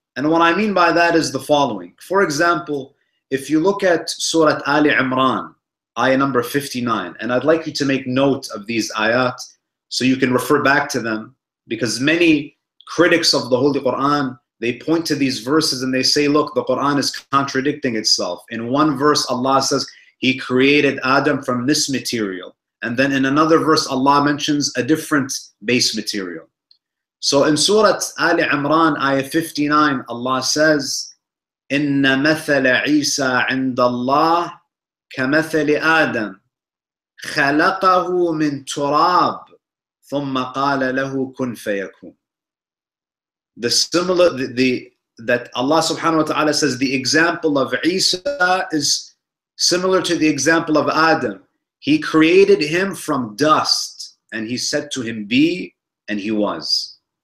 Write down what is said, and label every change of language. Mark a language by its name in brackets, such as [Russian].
[English] And what I mean by that is the following. For example, if you look at Surah Ali Imran, ayah number 59, and I'd like you to make note of these ayat so you can refer back to them, because many critics of the Holy Quran, they point to these verses and they say, look, the Quran is contradicting itself. In one verse, Allah says, He created Adam from this material. And then in another verse, Allah mentions a different base material. So in Surah Ali Imran, ayah 59, Allah says, [Arabic] إِنَّ مَثَلَ عِيسَى عِنْدَ اللَّهِ كَمَثَلِ آدَمَ خَلَقَهُ مِن تُرَابٍ ثُمَّ قَالَ لَهُ كُنْ فَيَكُونَ. [English] The similar, that Allah subhanahu wa ta'ala says the example of Isa is similar to the example of Adam. He created him from dust and he said to him, be, and he was.